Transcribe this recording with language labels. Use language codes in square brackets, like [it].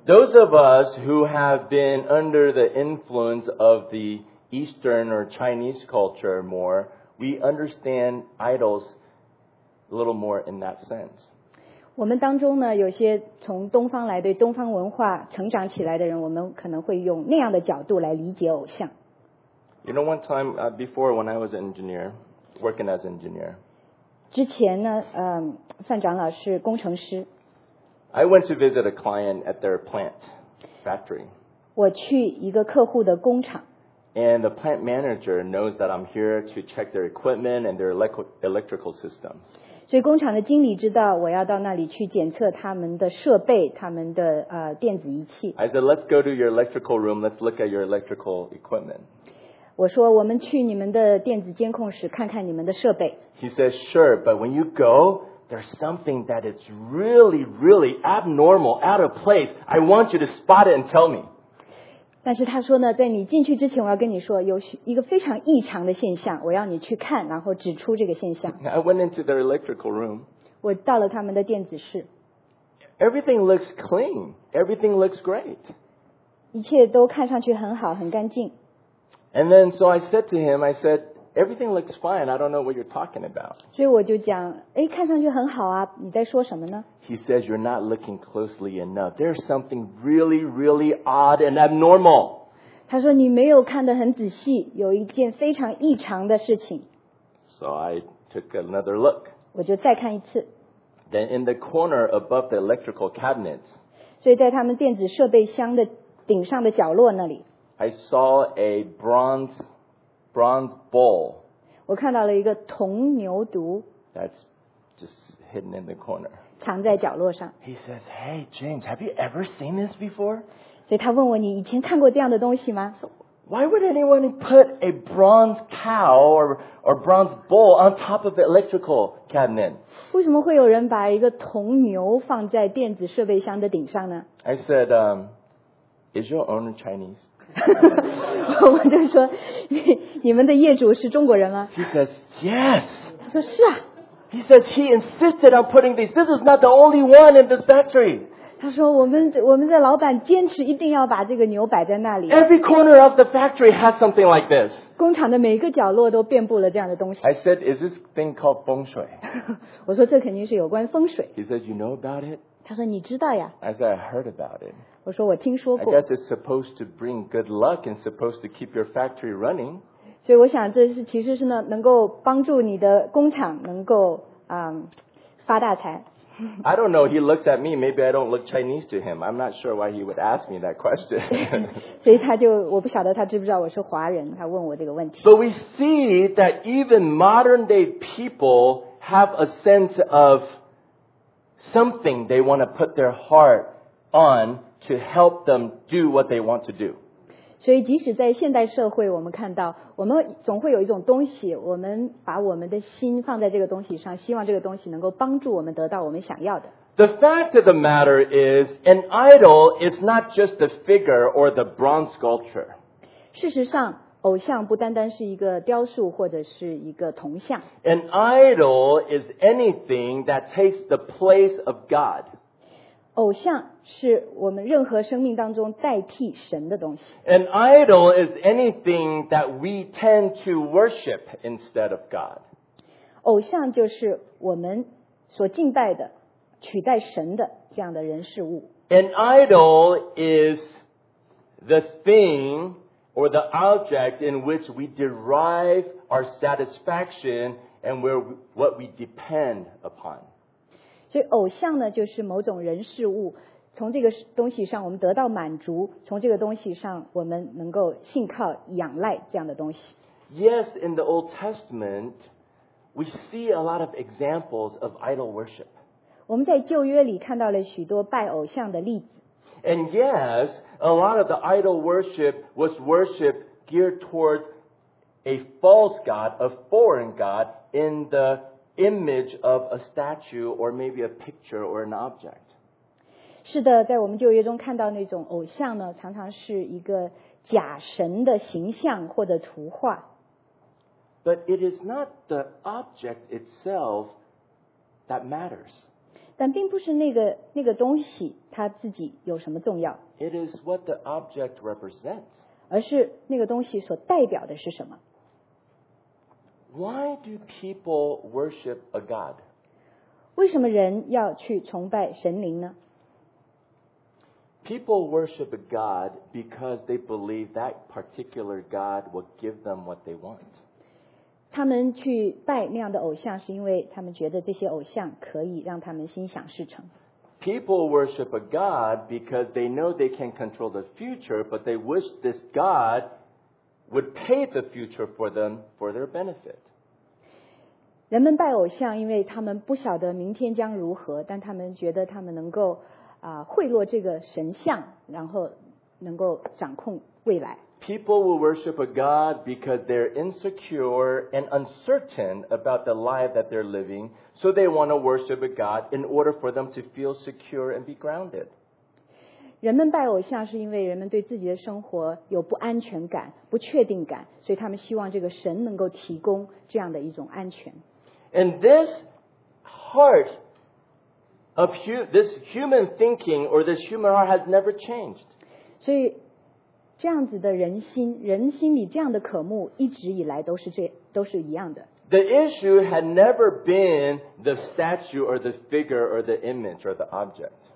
[en] Those of us who have been under the influence of the Eastern or Chinese culture more,We understand idols a little more in that sense. [zh] 我们当中呢，有些从东方来，对东方文化成长起来的人，我们可能会用那样的角度来理解偶像。 [en] You know, one time before when I was an engineer, working as an engineer. [zh] 之前呢，范长老是工程师。 [en] I went to visit a client at their plant factory. [zh] 我去一个客户的工厂。 [en] And the plant manager knows that I'm here to check their equipment and their electrical system. [zh] 所以工厂的经理知道我要到那里去检测他们的设备，他们的电子仪器。 [en] I said, let's go to your electrical room, let's look at your electrical equipment. [zh] 我说我们去你们的电子监控室看看你们的设备。 [en] He says, sure, but when you go, there's something that is really, really abnormal, out of place. I want you to spot it and tell me. [zh] 但是他说呢，在你进去之前，我要跟你说，有一个非常异常的现象，我要你去看，然后指出这个现象。 [en] I went into their electrical room. [zh] 我到了他们的电子室。 [en] Everything looks clean. Everything looks great. [zh] 一切都看上去很好，很干净。 [en] And then, so I said to him, I said, everything looks fine. I don't know what you're talking about. [zh] 所以我就讲，哎，看上去很好啊，你在说什么呢？ [en] He says you're not looking closely enough. There's something really, really odd and abnormal. [zh] 他说你没有看得很仔细，有一件非常异常的事情。 [en] So I took another look. [zh] 我就再看一次。 [en] Then in the corner above the electrical cabinets. [zh] 所以在他们电子设备箱的顶上的角落那里。 [en] I saw a bronze bowl. [zh] 我看到了一个铜牛犊。 [en] That's just hidden in the corner. [zh] 藏在角落上。 [en] He says, "Hey, James, have you ever seen this before?" [zh] 所以他问我，你以前看过这样的东西吗 [en] ？So why would anyone put a bronze cow or bronze bowl on top of the electrical cabinet? [zh] 为什么会有人把一个铜牛放在电子设备箱的顶上呢 [en] ？I said, "Is your owner Chinese?" [zh] 我就说，你们的业主是中国人吗 [en] ？He says, "Yes." [zh] 他说是啊。 [en] He says he insisted on putting these. This is not the only one in this factory. [zh] 他说我们的老板坚持一定要把这个牛摆在那里。 [en] Every corner of the factory has something like this. [zh] 工厂的每一个角落都遍布了这样的东西。 [en] I said, is this thing called 风水? [zh] 我说这肯定是有关风水。 [en] He says, you know about it? [zh] 他说你知道呀。 [en] I said, I heard about it. [zh] 我说我听说过。 [en] I guess it's supposed to bring good luck and supposed to keep your factory running. [zh] 所以我想这是其实是呢能够帮助你的工厂能够发大财。 [en] I don't know, he looks at me, maybe I don't look Chinese to him. I'm not sure why he would ask me that question. [zh] 所以他就我不晓得他知不知道我是华人他问我这个问题。 [en] So we see that even modern day people have a sense of something they want to put their heart on to help them do what they want to do. [zh] 所以即使在现代社会我们看到我们总会有一种东西我们把我们的心放在这个东西上希望这个东西能够帮助我们得到我们想要的。 [en] The fact of the matter is, an idol is not just the figure or the bronze sculpture. [zh] 事实上偶像不单单是一个雕塑或者是一个铜像。 [en] An idol is anything that takes the place of God. [zh] 偶像是我们任何生命当中代替神的东西。 [en] An idol is anything that we tend to worship instead of God. [zh] 偶像就是我们所敬拜的、取代神的这样的人事物。 [en] An idol is the thing or the object in which we derive our satisfaction and where what we depend upon. [zh] 所以偶像呢，就是某种人事物，从这个东西上我们得到满足，从这个东西上我们能够信靠、仰赖这样的东西。 [en] Yes, in the Old Testament, we see a lot of examples of idol worship. [zh] 我们在旧约里看到了许多拜偶像的例子。 [en] And yes, a lot of the idol worship was worship geared towards a false god, a foreign god, in the image of a statue or maybe a picture or an object. [zh] 是的，在我们旧约中看到那种偶像呢，常常是一个假神的形象或者图画。 [en] But it is not the object itself that matters. [zh] 但并不是那个东西它自己有什么重要。 [en] It is what the object represents. [zh] 而是那个东西所代表的是什么。 [en] Why do people worship a god? [zh] 为什么人要去崇拜神灵呢？ [en] People worship a god because they believe that particular god will give them what they want. [zh] 他们去拜那样的偶像，是因为他们觉得这些偶像可以让他们心想事成。 [en] People worship a god because they know they can control the future, but they wish this god would pay the future for them for their benefit. [zh] 人们拜偶像，因为他们不晓得明天将如何，但他们觉得他们能够贿赂这个神像，然后能够掌控未来。 [en] People will worship a god because they're insecure and uncertain about the life that they're living, so they want to worship a god in order for them to feel secure and be grounded. [zh] 人们拜偶像是因为人们对自己的生活有不安全感、不确定感，所以他们希望这个神能够提供这样的一种安全。 [en] And this heart of this human thinking or this human heart has never changed. [zh] 所以这样子的人心，人心里这样的渴慕，一直以来都是一样的。 [en] The issue had never been the statue or the figure or the image or the object.